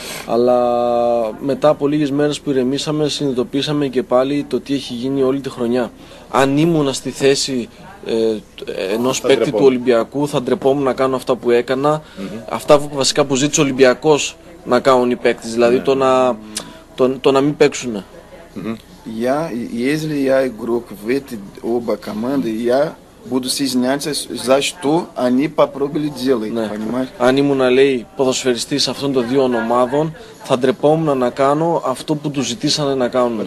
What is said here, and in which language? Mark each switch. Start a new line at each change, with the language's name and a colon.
Greek: Αλλά μετά από λίγες μέρες που ηρεμήσαμε, συνειδητοποίησαμε και πάλι το τι έχει γίνει όλη τη χρονιά. Αν ήμουνα στη θέση ενός παίκτη του Ολυμπιακού, θα ντρεπόμουν να κάνω αυτά που έκανα. Mm-hmm. Αυτά βασικά που ζήτησε ο Ολυμπιακός να κάνουν οι παίκτες, δηλαδή mm-hmm. το να μην παίξουν.
Russian: Если я игрок в эти оба команды, я буду стесняться, за что они попробовали делать,
Greek: ναι.
Russian: Понимаешь?
Greek: Αν ήμουν, λέει, ποδοσφαιριστής αυτών των δύο ομάδων, θα ντρεπόμουν να κάνω αυτό που τους ζητήσανε να κάνουν.